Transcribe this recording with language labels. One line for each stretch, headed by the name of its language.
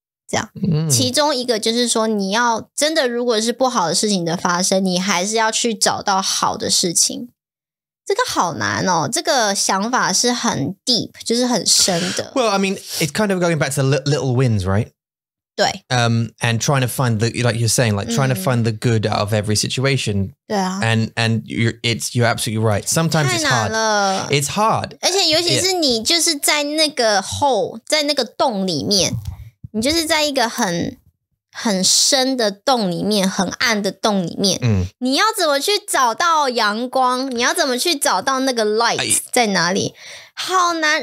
Chinese: 这样，其中一个就是说，你要真的，如果是不好的事情的发生，你还是要去找到好的事情。这个好难哦，这个想法是很 deep，就是很深的。
English: Well, I mean, it's kind of going back to little wins, right?
Chinese: 对。
English: And trying to find the like you're saying, like trying to find the good out of every situation.
Chinese: 对啊。
English: And you're absolutely right. Sometimes it's hard. It's hard.
Chinese: 而且尤其是你就是在那个 hole，在那个洞里面。你就是在一个很很深的洞里面，很暗的洞里面，嗯，你要怎么去找到阳光？你要怎么去找到那个 light 在哪里？好难。